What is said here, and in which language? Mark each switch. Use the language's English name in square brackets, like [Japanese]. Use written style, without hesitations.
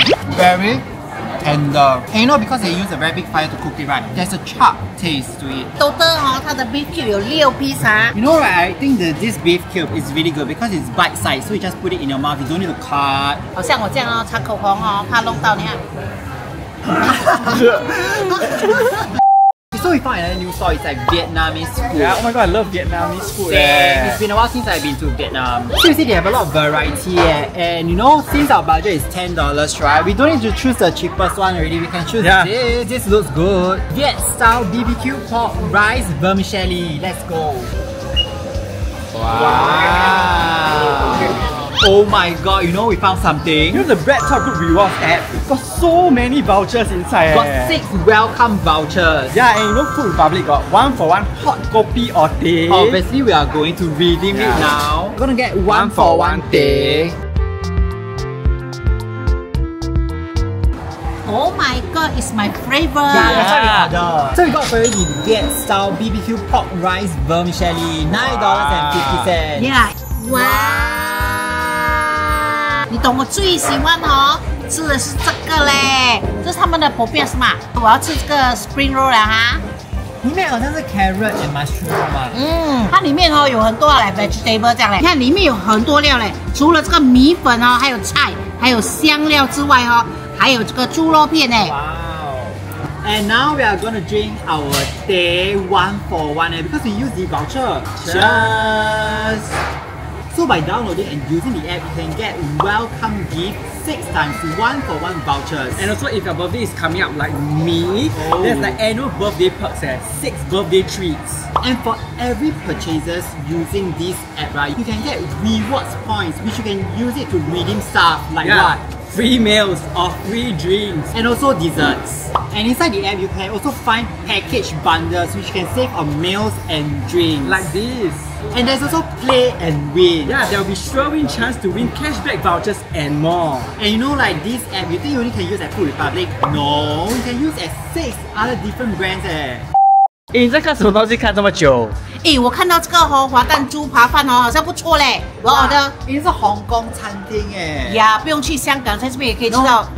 [English] Very tender. And you know, because they use a very big fire to cook it, right? There's a sharp taste to it. Total, oh, it's the beef cube. 6 pieces, ah. You know, right? I think that this beef cube is really good because it's bite size. So you just put it in your mouth. You don't need to cut. [Chinese] 好像我这样哦，擦口红哦，怕弄到你啊。 [English] So we found another new store, it's like Vietnamese food. Yeah, oh my god, I love Vietnamese food. Yeah, it's been a while since I've been to Vietnam. So you see, they have a lot of variety, yeah. And you know, since our budget is $10, right, we don't need to choose the cheapest one already. We can choose this. This looks good. Viet style BBQ pork rice vermicelli. Let's go. Wow. Oh my god, you know, we found something. You know, the BreadTalk Group Rewards app got so many vouchers inside. Got 6 welcome vouchers. Yeah, and you know, Food Republic got 1-for-1 hot kopi or tea. Obviously, we are going to redeem it now. We're gonna get 1-for-1 tea. Oh my god, it's my favorite. Yeah, that's what we order. So we got for you the Viet style BBQ pork rice vermicelli. $9.50. Yeah. Wow. [Chinese] 你懂我最喜欢哦，吃的是这个嘞，这是他们的薄饼是吗？我要吃这个 spring roll 了哈。里面好像是 [English] carrot and mushroom [Chinese] 嘛。嗯，它里面哦有很多嘞 vegetable 这样嘞，你看里面有很多料嘞，除了这个米粉哦，还有菜，还有香料之外哦。还有这个猪肉片哎！ [English] 哇哦 ！And now we are gonna drink our tea 1-for-1 because we use the voucher. Cheers! So So by downloading and using the app, you can get welcome gift 6x1-for-1 vouchers. And also if your birthday is coming up like me, there's like annual birthday perks, 6 birthday treats. And for every purchases using this app, right, you can get rewards points, which you can use it to redeem stuff like what? Free meals or free drinks. And also desserts. And inside the app, you can also find package bundles which you can save on meals and drinks. Like this. And there's also play and win. Yeah, there'll be sure win chance to win cashback vouchers and more. And you know, like this app, you think you only can use at Food Republic? No, you can use at 6 other different brands. [Chinese] 你在看什么东西看这么久? 我看到这个滑蛋猪扒饭好像不错咧 我order 你是红宫餐厅耶不用去香港 在这边也可以吃到